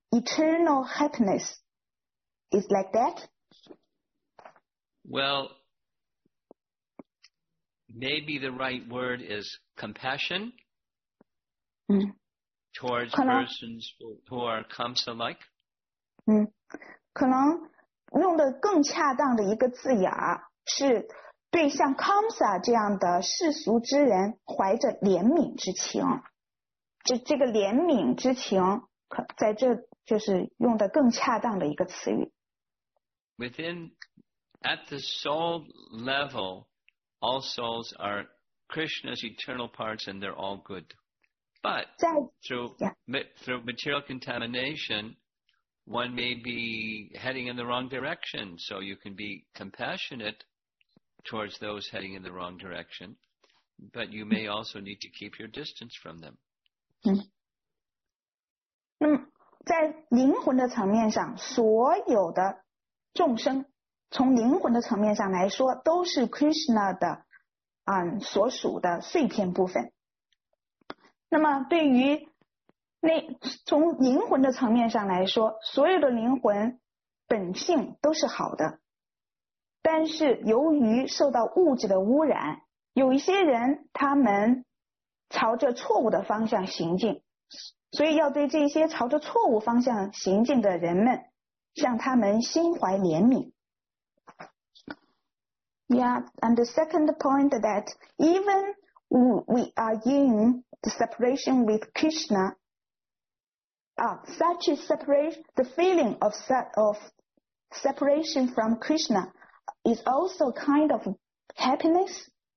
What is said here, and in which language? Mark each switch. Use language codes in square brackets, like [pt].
[en] eternal happiness. Is like that? Well, maybe the right word is compassion towards persons who are Kamsa-like. [zh] 可能用的更恰当的一个字眼是对像 Kamsa 这样的世俗之人怀着怜悯之情。这个怜悯之情在这就是用的更恰当的一个词语。 [en] At the soul level, all souls are Krishna's eternal parts and they're all good. But through material contamination, one may be heading in the wrong direction. So you can be compassionate towards those heading in the wrong direction, but you may also need to keep your distance from them. [zh] 在灵魂的层面上，所有的众生从灵魂的层面上来说都是 Krishna 的所属的碎片部分。那么对于那从灵魂的层面上来说，所有的灵魂本性都是好的，但是由于受到物质的污染，有一些人他们朝着错误的方向行进，所以要对这些朝着错误方向行进的人们向他们心怀怜悯。 [en] Yeah, and the second point that even we are in the separation with Krishna, such a separation, the feeling of separation from Krishna is also kind of happiness.